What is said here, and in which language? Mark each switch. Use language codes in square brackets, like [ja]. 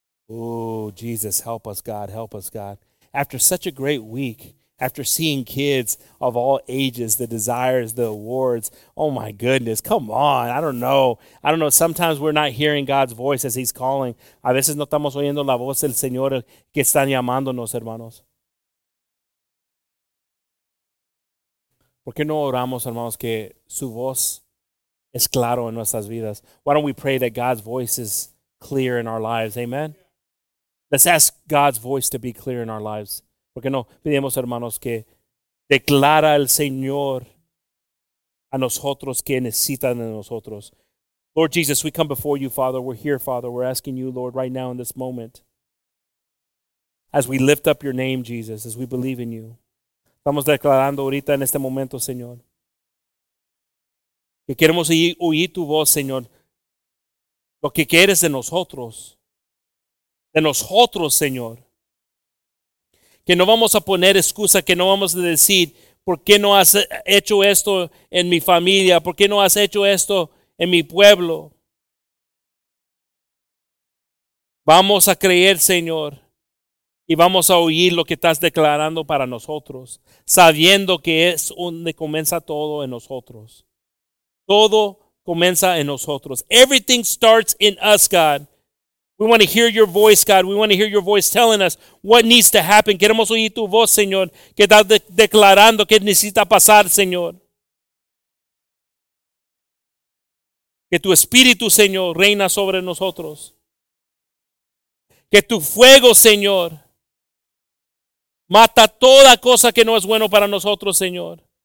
[en] Oh, Jesus, help us, God. Help us, God. After such a great week, after seeing kids of all ages, the desires, the awards, oh my goodness, come on, I don't know. I don't know, sometimes we're not hearing God's voice as He's calling. [es] A veces no estamos oyendo la voz del Señor que están llamándonos, hermanos. ¿Por qué no oramos, hermanos, que su voz es claro en nuestras vidas? [en] Why don't we pray that God's voice is clear in our lives, amen? Let's ask God's voice to be clear in our lives. [es] ¿Por qué no pedimos, hermanos, que declara el Señor a nosotros que necesita de nosotros? [en] Lord Jesus, we come before you, Father. We're here, Father. We're asking you, Lord, right now in this moment, as we lift up your name, Jesus, as we believe in you. [es] Estamos declarando ahorita en este momento, Señor, que queremos oír tu voz, Señor. Lo que quieres de nosotros. De nosotros, Señor. Que no vamos a poner excusa, que no vamos a decir, ¿por qué no has hecho esto en mi familia? ¿Por qué no has hecho esto en mi pueblo? Vamos a creer, Señor, y vamos a oír lo que estás declarando para nosotros, sabiendo que es donde comienza todo en nosotros. Todo comienza en nosotros. [en] Everything starts in us, God. We want to hear your voice, God. We want to hear your voice telling us what needs to happen. [es] Queremos oír tu voz, Señor, que estás declarando que necesita pasar, Señor. Que tu espíritu, Señor, reina sobre nosotros. Que tu fuego, Señor, mata toda cosa que no es bueno para nosotros, Señor.